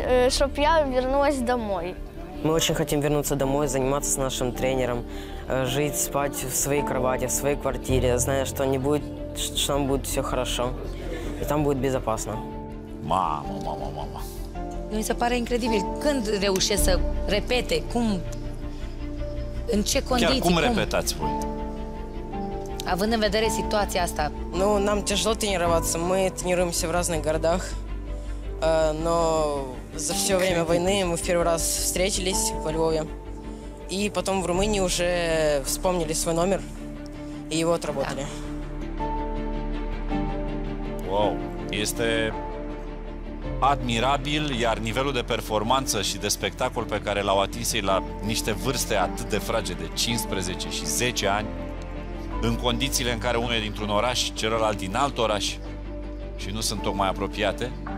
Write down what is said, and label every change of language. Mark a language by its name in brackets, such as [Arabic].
[Russian] Чтоб я вернулась домой. Мы очень хотим вернуться домой, заниматься с нашим тренером, жить, спать в своей кровати, в своей квартире, зная, что не будет, что нам будет все хорошо. И там будет безопасно. Мама, мама, мама. Мне кажется, incredibil. [Romanian] Când reușesc să repete, cum, în ce condiții, cum? Chiar cum repetați voi? Având în vedere situația asta. [Russian] Ну, нам тяжело тренироваться. Мы тренируемся в разных городах. Но за все время войны мы в первый раз встретились во Львове. И потом в Румынии уже вспомнили свой номер и его отработали. [Romanian] Wow, este admirabil, iar nivelul de performanță și de spectacol pe care l-au atins ei la niște vârste atât de fragede, 15 și 10 ani, în condițiile în care unul e dintr-un oraș, celălalt din alt oraș și nu sunt tocmai apropiate.